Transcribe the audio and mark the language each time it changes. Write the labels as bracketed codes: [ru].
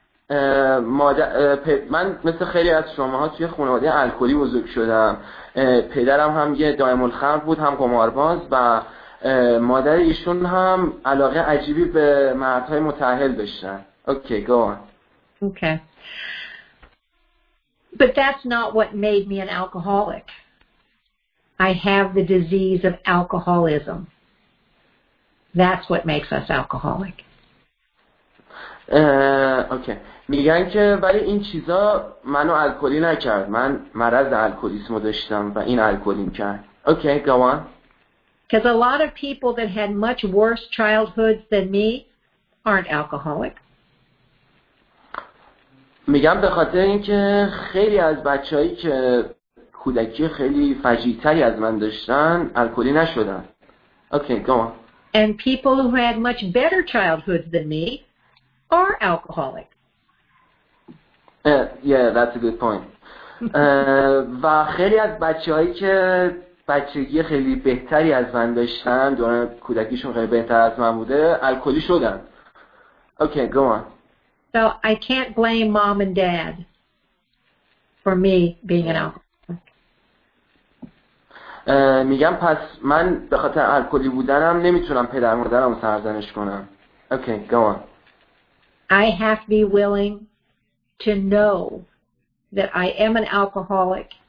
[fa] من مثل خیلی از شماها توی خانواده الکلی بزرگ شدم. پدرم هم یه دائم الخمر بود، هم قمارباز، و مادر ایشون هم علاقه عجیبی به مردهای متأهل داشتن. [en] Okay go on. Okay. But that's not what made me an alcoholic. I have the disease of alcoholism. That's what makes us alcoholic. Okay. [fa] میگن که ولی این چیزا منو الکلی نکرد، من مرض الکلیسمو داشتم و این الکلیم کرد. [en] Okay go on. Because a lot of people that had much worse childhoods than me aren't alcoholic. [fa] میگم به خاطر اینکه خیلی از بچه‌هایی که کودکی خیلی فجیع‌تری از من داشتن الکلی نشدن. [en] Okay go on. And people who had much better childhoods than me are alcoholic. Yeah, that's a good point. [fa] و خیلی از بچه‌هایی که بچگی خیلی بهتری از من داشتن، دوران کودکیشون خیلی بهتر از من بوده، الکلی شدن. [en] Okay, go on. So I can't blame mom and dad for me being an alcoholic. [fa] میگم پس من به خاطر الکلی بودنم نمیتونم پدر مادرم رو سرزنش کنم. [en] Okay, go on. I have to be willing to know that I am an alcoholic.